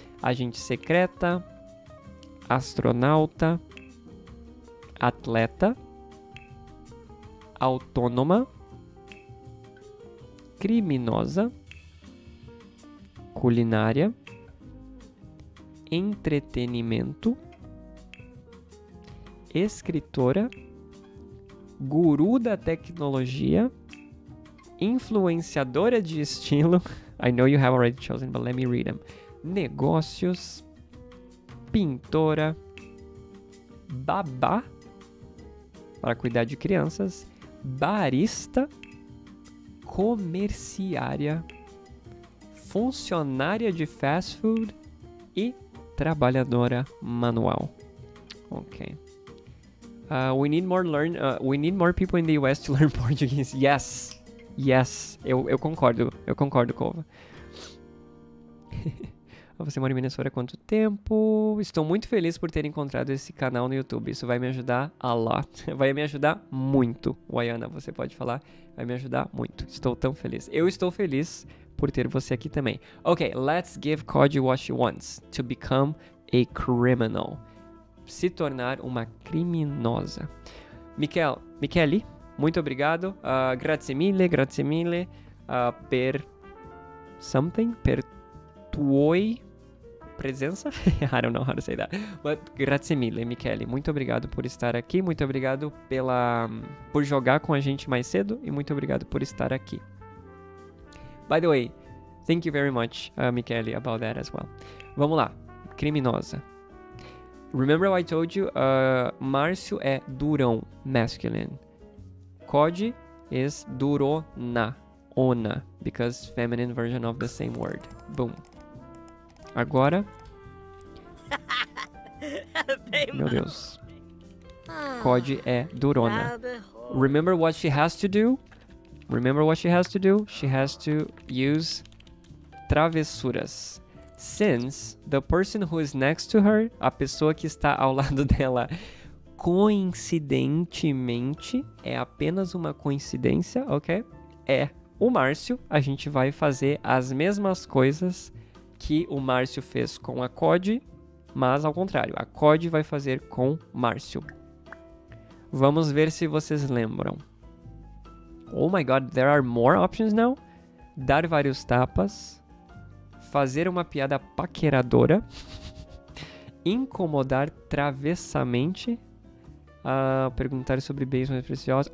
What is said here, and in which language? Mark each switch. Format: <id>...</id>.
<pt>Agente secreta, astronauta, atleta, autônoma, criminosa, culinária, entretenimento, escritora, guru da tecnologia, influenciadora de estilo.</pt> <en>I know you have already chosen, but let me read them.</en> <pt>Negócios, pintora, babá, para cuidar de crianças, barista, comerciária, funcionária de fast food e trabalhadora manual. Ok.</pt> <en>We need more people in the US to learn Portuguese. Yes. Yes.</en> <pt>Eu concordo. Eu concordo, Cova. Você mora em Minnesota há quanto tempo? Estou muito feliz por ter encontrado esse canal no YouTube. Isso vai me ajudar</pt> <en>a lot.</en> <pt>Vai me ajudar muito. Wayana, você pode falar. Vai me ajudar muito. Estou tão feliz. Eu estou feliz por ter você aqui também.</pt> <en>Ok, let's give Code what she wants. To become a criminal.</en> <pt>Se tornar uma criminosa. Michele, muito obrigado.</pt> <it>Grazie mille. Per</it> <en>something?</en> <it>Per tuoi presença?</it> <en>I don't know how to say that. But</en> <it>grazie mille,</it> <pt>Michele. Muito obrigado por estar aqui. Muito obrigado por jogar com a gente mais cedo. E muito obrigado por estar aqui.</pt> <en>By the way, thank you very much, Michele, about that as well.</en> <pt>Vamos lá. Criminosa.</pt> <en>Remember what I told you?</en> <pt>Márcio é durão, masculine.</pt> <en>Code is durona, ona, because feminine version of the same word.</en> <pt>Boom. Agora. Meu Deus. Code é durona.</pt> <en>Remember what she has to do? Remember what she has to do? She has to use travessuras. Since the person who is next to her,</en> <pt>a pessoa que está ao lado dela, coincidentemente, é apenas uma coincidência, ok? É o Márcio. A gente vai fazer as mesmas coisas que o Márcio fez com a Code, mas ao contrário, a Code vai fazer com Márcio. Vamos ver se vocês lembram.</pt> <en>Oh my God, there are more options now?</en> <pt>Dar vários tapas. Fazer uma piada paqueradora. incomodar travessamente, perguntar sobre bens mais preciosos.</pt>